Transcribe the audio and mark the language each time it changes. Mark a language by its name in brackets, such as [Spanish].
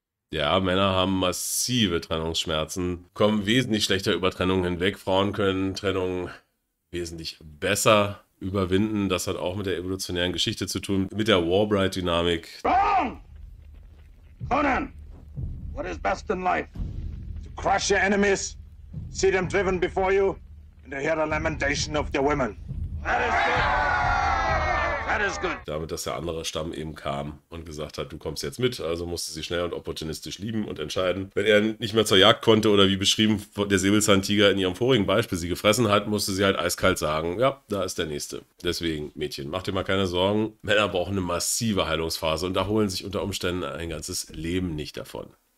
[German] Ja, Männer haben massive Trennungsschmerzen, kommen wesentlich schlechter über Trennungen hinweg. Frauen können Trennungen wesentlich besser überwinden. Das hat auch mit der evolutionären Geschichte zu tun, mit der Warbright-Dynamik. [English] Wrong! Conan, what is best in life? To crush your enemies, see them driven before you, and to hear the lamentation of their women. That is good! [German] Damit, dass der andere Stamm eben kam und gesagt hat, du kommst jetzt mit, also musste sie schnell und opportunistisch lieben und entscheiden. Wenn er nicht mehr zur Jagd konnte oder wie beschrieben der Säbelzahntiger in ihrem vorigen Beispiel sie gefressen hat, musste sie halt eiskalt sagen, ja, da ist der Nächste. Deswegen, Mädchen, mach dir mal keine Sorgen, Männer brauchen eine massive Heilungsphase und da holen sich unter Umständen ein ganzes Leben nicht davon.